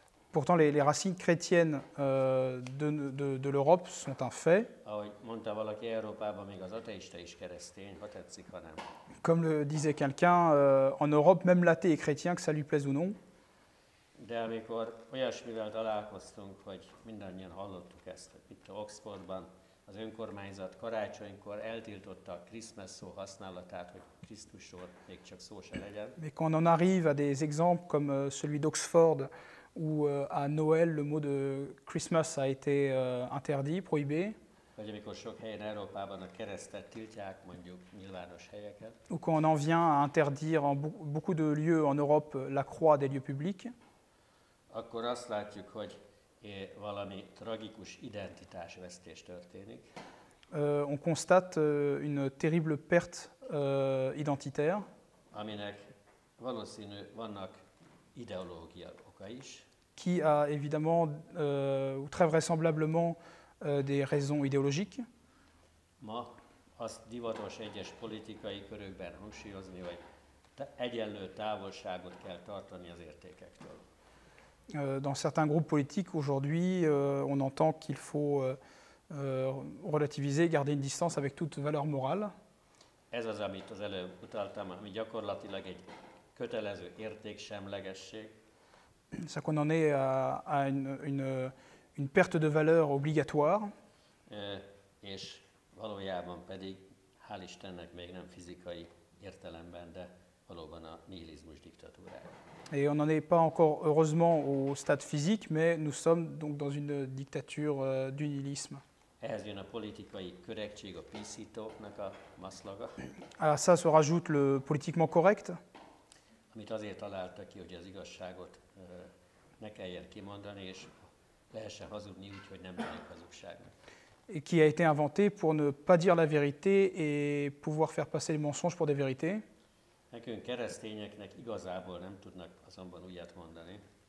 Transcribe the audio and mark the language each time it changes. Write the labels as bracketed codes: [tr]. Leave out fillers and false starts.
[fr] Pourtant, les racines chrétiennes de l'Europe sont un fait. [hu] Ahogy mondta valaki, Európában még az ateista is keresztény, ha tetszik, ha nem. [fr] Comme le disait quelqu'un, en Europe, même l'athée est chrétien, que ça lui plaise ou non. [hu] De amikor olyasmivel találkoztunk, hogy mindannyian hallottuk ezt, hogy itt a Oxfordban az önkormányzat karácsonykor eltiltotta a Christmas szó használatát, hogy Krisztusról még csak szó se legyen. [fr] Mais quand on arrive à des exemples comme celui d'Oxford, où à Noël le mot de Christmas a été interdit, prohibé. [hu] Vagy amikor sok helyen Európában a keresztet tiltják, mondjuk nyilvános helyeket. [fr] Ou quand on en vient à interdire en beaucoup de lieux en Europe la croix des lieux publics. [hu] Akkor azt látjuk, hogy valami tragikus identitásvesztés történik. [fr] On constate une terrible perte identitaire. [hu] Aminek valószínű vannak ideológia oka is. [fr] Qui a évidemment, ou très vraisemblablement, des raisons idéologiques. [hu] Ma azt divatos egyes politikai körökben hangsúlyozni, hogy egyenlő távolságot kell tartani az értékektől. [fr] Dans certains groupes politiques, aujourd'hui, on entend qu'il faut relativiser, garder une distance avec toute valeur morale. [hu] Ez az, amit az előbb utaltam, ami gyakorlatilag egy kötelező értéksemlegesség. [fr] Ça qu'on en est à une perte de valeur obligatoire. [hu] És valójában pedig, hál' Istennek, még nem fizikai értelemben, de valóban a nihilizmus diktatúrája. [fr] Et on n'en est pas encore heureusement au stade physique, mais nous sommes donc dans une dictature du nihilisme. [hu] Ehhez jön a politikai korrektség, a PC-toknak a maszlaga. [fr] À ça se rajoute le politiquement correct. [hu] Amit azért találta ki, hogy az igazságot ne kelljen kimondani, és lehessen hazudni úgy, hogy nem tűnik hazugságnak. [fr] Et qui a été inventé pour ne pas dire la vérité et pouvoir faire passer les mensonges pour des vérités. [hu] Nekünk keresztényeknek igazából nem tudnak azonban újat mondani.